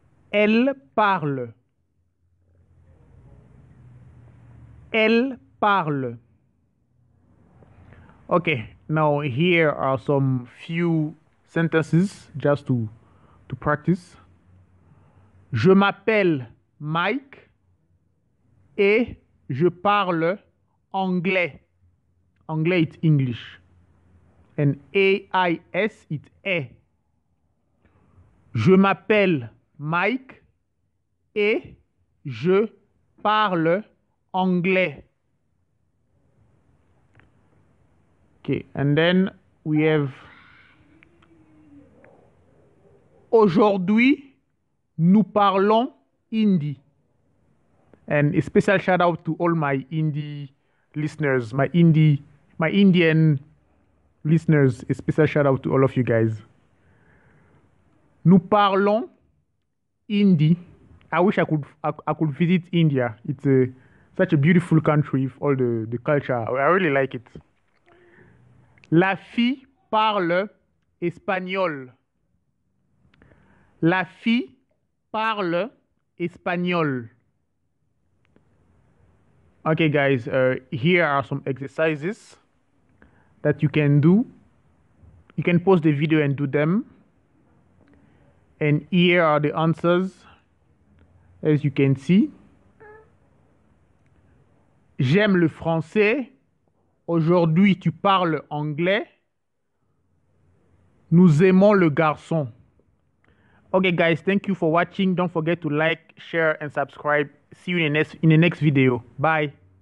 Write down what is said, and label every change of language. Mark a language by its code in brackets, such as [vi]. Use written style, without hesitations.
[fr] Elle parle. Elle parle. [en] Okay, now here are some few sentences just to practice. [fr] Je m'appelle Mike et je parle anglais. [en] Anglais, it's English. And A-I-S, it's A. [fr] Je m'appelle Mike et je parle anglais. [en] Okay, and then we have [fr] aujourd'hui nous parlons hindi. [en] And a special shout out to all my hindi listeners, my Indian listeners, a special shout out to all of you guys. [fr] Nous parlons Hindi. [en] I wish I could visit India. It's such a beautiful country with all the culture. I really like it. [fr] La fille parle espagnol. La fille parle espagnol. [en] Okay, guys. Here are some exercises that you can do. You can pause the video and do them. And here are the answers, as you can see. [fr] J'aime le français. Aujourd'hui, tu parles anglais. Nous aimons le garçon. [en] Okay, guys, thank you for watching. Don't forget to like, share, and subscribe. See you in the next video. Bye.